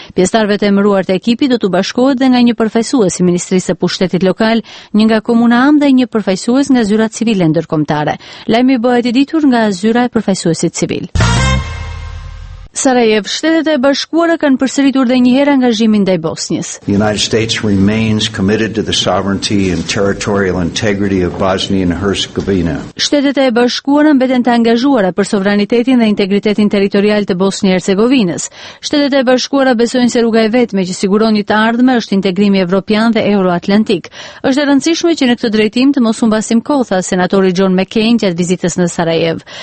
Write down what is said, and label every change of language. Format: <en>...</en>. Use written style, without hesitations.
<sq>Pjesëtarëve të emëruar të ekipit do të bashkohet dhe nga një përfaqësues i Ministrisë së Pushtetit lokal, një nga komuna AM dhe një përfaqësues nga zyra civile ndërkombëtare. Lajmi bëhet i ditur nga zyra e përfaqësuesit civil. Sarajevo, Shtetet e Bashkuara kanë përsëritur edhe një herë angazhimin ndaj Bosnjës.</sq> <en>The United States remains committed to the sovereignty and territorial integrity of Bosnia and Herzegovina.</en> <sq>Shtetet e Bashkuara mbeten të angazhuara për sovranitetin dhe integritetin territorial të Bosnjë-Hercegovinës. Shtetet e Bashkuara besojnë se rruga e vetme që siguron një të ardhme është integrimi evropian dhe euroatlantik. Është e rëndësishme që në këtë drejtim të mos humbasim kohë, tha senatori John McCain gjatë vizitës në Sarajevo.</sq>